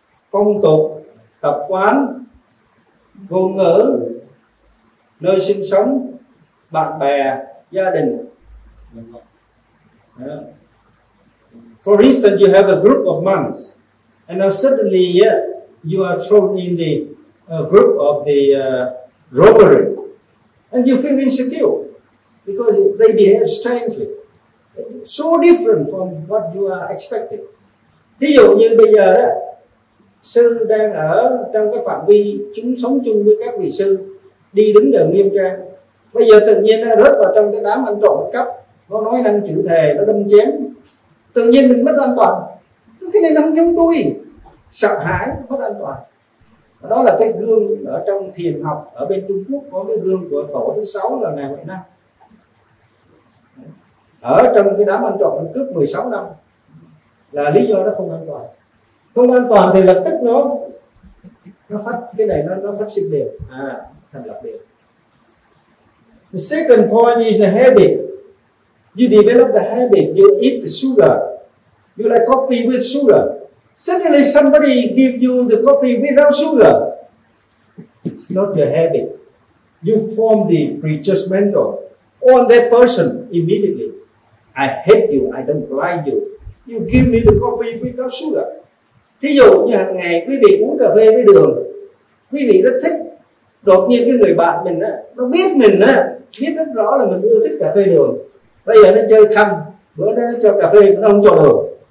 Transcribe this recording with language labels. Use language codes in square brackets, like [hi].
[vi] Phong tục, tập quán, ngôn ngữ, nơi sinh sống, bạn bè, gia đình. [en] For instance, you have a group of monks, and now suddenly you are thrown in the group of the robbery, and you feel insecure because they behave strangely, so different from what you are expecting. [vi] Ví dụ như bây giờ đó, sư đang ở trong cái phạm vi chúng sống chung với các vị sư, đi đứng đường nghiêm trang. Bây giờ tự nhiên nó rớt vào trong cái đám ăn trộm cắp, nó nói năng chửi thề, nó đâm chém. Tự nhiên mình mất an toàn. Cái này nó không giống tôi. Sợ hãi, mất an toàn. Đó là cái gương ở trong thiền học ở bên Trung Quốc, có cái gương của tổ thứ 6 là ngày Huệ Năng. Ở trong cái đám ăn trộm ăn cướp 16 năm là lý do nó không an toàn. Không an toàn thì lập tức nó phát cái này nó phát sinh liền, thành lập liền. [en] The second point is a habit. You develop the habit, you eat the sugar. You like coffee with sugar. Suddenly somebody give you the coffee without sugar. It's not your habit. You form the prejudgmental on that person immediately. I hate you, I don't like you. You give me the coffee without sugar. [vi] Ví dụ như hàng ngày quý vị uống cà phê với đường, quý vị rất thích. Đột nhiên cái người bạn mình á, nó biết mình á, biết rất rõ là mình ưa thích cà phê đường. Bây giờ nó chơi khăm, bữa nay nó cho cà phê, nó không cho đường.